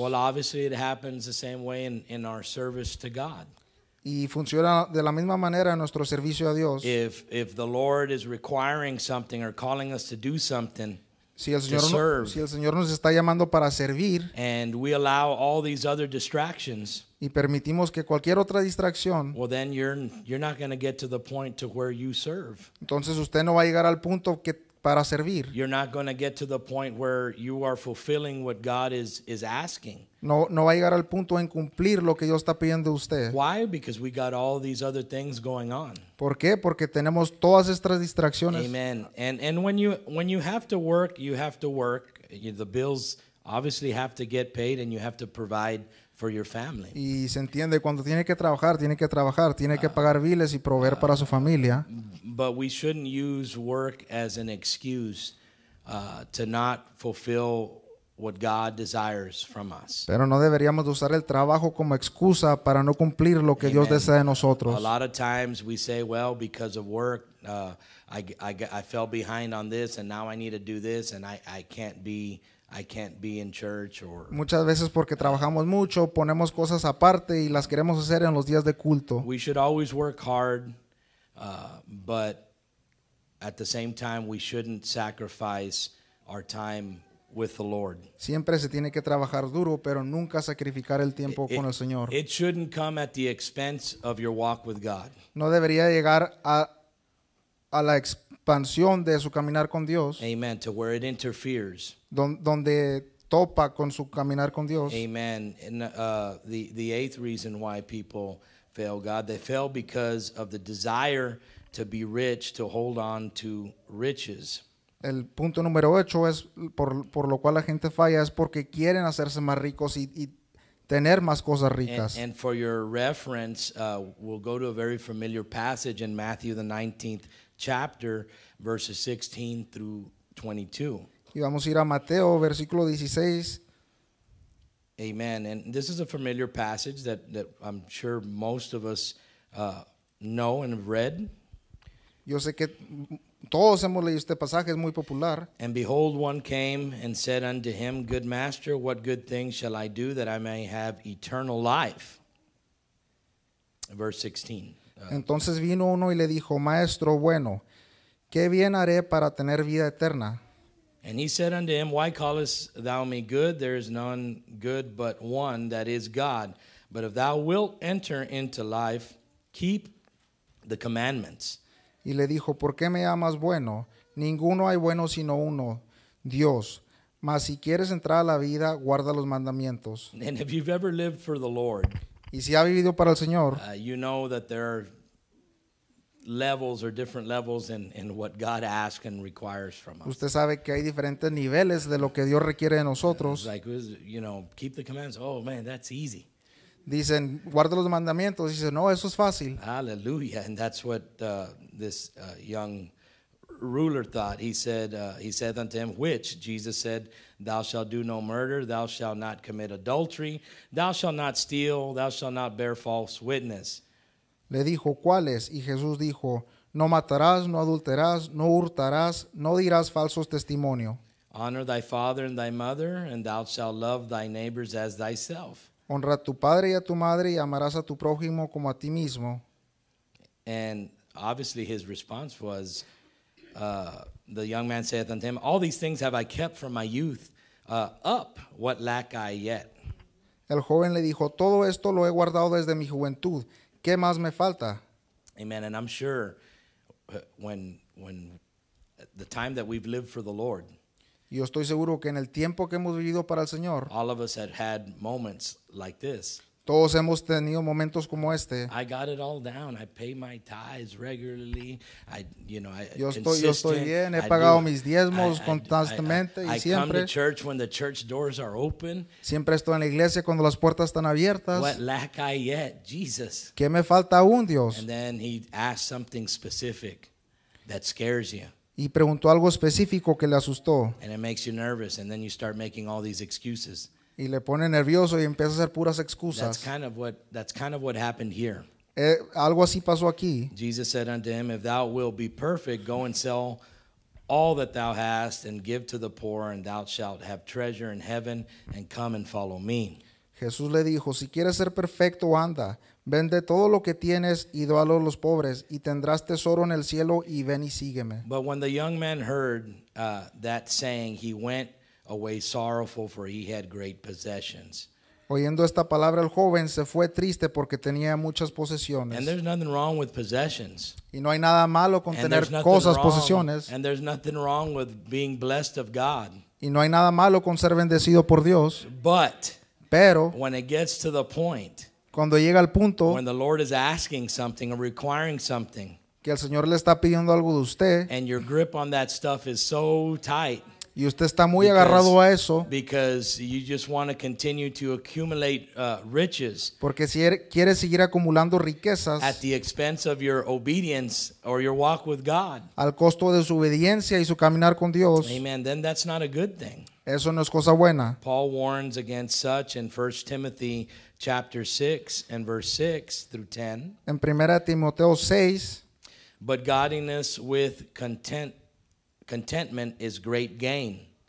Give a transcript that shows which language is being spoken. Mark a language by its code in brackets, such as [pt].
[en] Well, obviously it happens the same way in our service to God. [es] Y funciona de la misma manera en nuestro servicio a Dios. [en] If the Lord is requiring something or calling us to do something, [es] si el Señor nos está llamando para servir, [en] and we allow all these other distractions, [es] y permitimos que cualquier otra distracción, [en] well, then you're not going to get to the point to where you serve. [es] Entonces usted no va a llegar al punto que para servir. [en] You're not going to get to the point where you are fulfilling what God is asking. [es] No va a llegar al punto en cumplir lo que Dios está pidiendo de usted. [en] Why? Because we got all these other things going on. [es] ¿Por qué? Porque tenemos todas estas distracciones. [en] Amen. And when you have to work, you have to work. The bills obviously have to get paid, and you have to provide for your family. [es] Y se entiende, cuando tiene que trabajar, tiene que trabajar, tiene que pagar biles y proveer para su familia. [en] But we shouldn't use work as an excuse to not fulfill what God desires from us. [es] Pero no deberíamos usar el trabajo como excusa para no cumplir lo que [en] Amen. [es] Dios desea de nosotros. [en] A lot of times we say, well, because of work, I fell behind on this, and now I need to do this, and I can't be in church. Or [es] muchas veces porque trabajamos mucho, ponemos cosas aparte y las queremos hacer en los días de culto. [en] We should always work hard, but at the same time we shouldn't sacrifice our time with the Lord. [es] Siempre se tiene que trabajar duro, pero nunca sacrificar el tiempo con el Señor. [en] It shouldn't come at the expense of your walk with God. [es] No debería llegar a la expansión de su caminar con Dios. [en] Amen. To where it interferes. [es] Donde topa con su caminar con Dios. [en] Amen. And the eighth reason why people fail God, they fail because of the desire to be rich, to hold on to riches. [es] El punto número 8 es por lo cual la gente falla es porque quieren hacerse más ricos y tener más cosas ricas. [en] And for your reference, we'll go to a very familiar passage in Matthew, the 19th chapter, verses 16 through 22. [es] Y vamos a ir a Mateo, versículo 16. [en] Amen. And this is a familiar passage that I'm sure most of us know and have read. [es] Yo sé que todos hemos leído este pasaje, es muy popular. [en] And behold, one came and said unto him, Good master, what good thing shall I do that I may have eternal life? Verse 16. [es] Entonces vino uno y le dijo, Maestro bueno, ¿qué bien haré para tener vida eterna? [en] And he said unto him, Why callest thou me good? There is none good but one, that is God. But if thou wilt enter into life, keep the commandments. [es] Y le dijo, ¿por qué me llamas bueno? Ninguno hay bueno sino uno, Dios. Mas si quieres entrar a la vida, guarda los mandamientos. [en] And if you've ever lived for the Lord, [es] y si ha vivido para el Señor, [en] you know that there are levels or different levels in what God asks and requires from us. [es] Usted sabe que hay diferentes niveles de lo que Dios requiere de nosotros. [en] Like, you know, keep the commands. Oh, man, that's easy. [es] Dicen, guarda los mandamientos. Dicen, no, eso es fácil. [en] Hallelujah. And that's what this young ruler thought. He said unto him, which? Jesus said, thou shalt do no murder, thou shalt not commit adultery, thou shalt not steal, thou shalt not bear false witness. [es] Le dijo, ¿cuáles? Y Jesús dijo, no matarás, no adulterás, no hurtarás, no dirás falsos testimonio. [en] Honor thy father and thy mother, and thou shalt love thy neighbors as thyself. [es] Honra a tu padre y a tu madre y amarás a tu prójimo como a ti mismo. [en] And obviously his response was, the young man saith unto him, all these things have I kept from my youth up, what lack I yet? [es] El joven le dijo, todo esto lo he guardado desde mi juventud, ¿qué más me falta? [en] Amen, and I'm sure when the time that we've lived for the Lord, [es] yo estoy seguro que en el tiempo que hemos vivido para el Señor, [en] all of us have had moments like this. [es] Todos hemos tenido momentos como este. [en] I got it all down. I pay my tithes regularly. [es] Yo estoy bien. He pagado mis diezmos constantemente y siempre. [en] I come to church when the church doors are open. [es] Siempre estoy en la iglesia cuando las puertas están abiertas. [en] What lack I yet, Jesus? [es] ¿Qué me falta aún, Dios? [en] And then he asked something specific that scares you. [es] Y preguntó algo específico que le asustó. [en] And it makes you nervous, and then you start making all these excuses. [es] Y le pone nervioso y empieza a hacer puras excusas. [en] That's kind of what happened here. [es] Algo así pasó aquí. [en] Jesus said unto him, If thou wilt be perfect, go and sell all that thou hast, and give to the poor, and thou shalt have treasure in heaven, and come and follow me. [es] Jesús le dijo, Si quieres ser perfecto, anda. Vende todo lo que tienes y dalo a los pobres, y tendrás tesoro en el cielo, y ven y sígueme. [en] But when the young man heard that saying, he went away sorrowful, for he had great possessions. [es] Oyendo esta palabra, el joven se fue triste porque tenía muchas posesiones. [en] And there's nothing wrong with possessions. [es] Y no hay nada malo con tener cosas, posesiones. [en] And there's nothing wrong with being blessed of God. [es] Y no hay nada malo con ser bendecido por Dios. [en] But, [es] pero, [en] when it gets to the point, [es] cuando llega al punto, [en] when the Lord is asking something or requiring something, [es] que el Señor le está pidiendo algo de usted, [en] and your grip on that stuff is so tight, [es] y usted está muy agarrado a eso, [en] because you just want to continue to accumulate riches, [es] porque si quiere seguir acumulando riquezas, [en] at the expense of your obedience or your walk with God, [es] al costo de su obediencia y su caminar con Dios, [en] amen, then that's not a good thing. [es] Eso no es cosa buena. [en] Paul warns against such in 1 Timothy chapter 6 and verse 6 through 10. [es] En Primera Timoteo 6. [en] But godliness with contentment is great gain.